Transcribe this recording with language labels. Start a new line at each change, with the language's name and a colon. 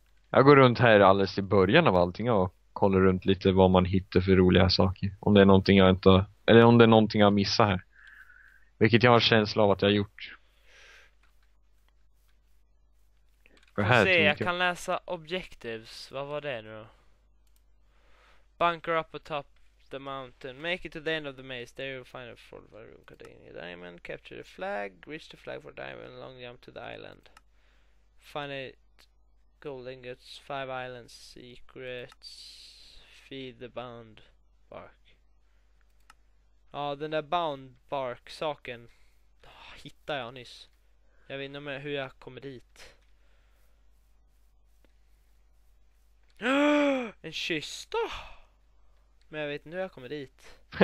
Swedish: Jag går runt här alldeles i början av allting och kollar runt lite vad man hittar för roliga saker. Om det är någonting jag inte, eller om det är någonting jag missar här. Vilket jag har känsla av att jag har gjort. Får här, se, jag kan läsa objectives. Vad var det nu då?
English: Bunker up atop the mountain. Make it to the end of the maze. There you'll find a fortified room containing a diamond. Capture the flag. Reach the flag for diamond. Long jump to the island. Find a gold ingots, five island secrets, feed the bound bark.
Swedish: Ja, den där bound bark-saken hittade jag nyss. Jag vet inte med hur jag kommer dit. En kista! Men jag vet inte hur jag kommer dit.